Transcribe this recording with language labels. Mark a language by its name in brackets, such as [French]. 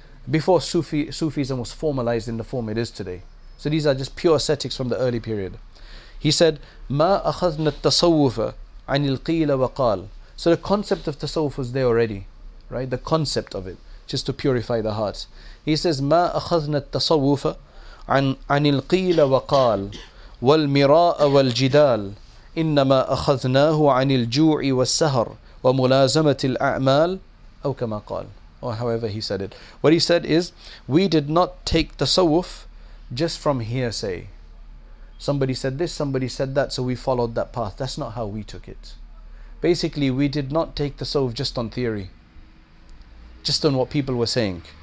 [English] Before Sufism was formalized in the form it is today. So these are just pure ascetics from the early period. He said, [Arabic] مَا أَخَذْنَا التَّصَوُّفَ عَنِ الْقِيلَ وَقَالَ. [English] So the concept of tasawuf was there already. right? The concept of it, just to purify the heart. He says, [Arabic] "ما أخذنا التصوف عن القيل وقال والمراء والجدال إنما أخذناه عن الجوع والسهر وملازمة الأعمال أو كما قال." [English] Or however he said it. What he said is, we did not take tasawwuf just from hearsay. Somebody said this, somebody said that, so we followed that path. That's not how we took it. Basically, we did not take tasawwuf just on theory, just on what people were saying.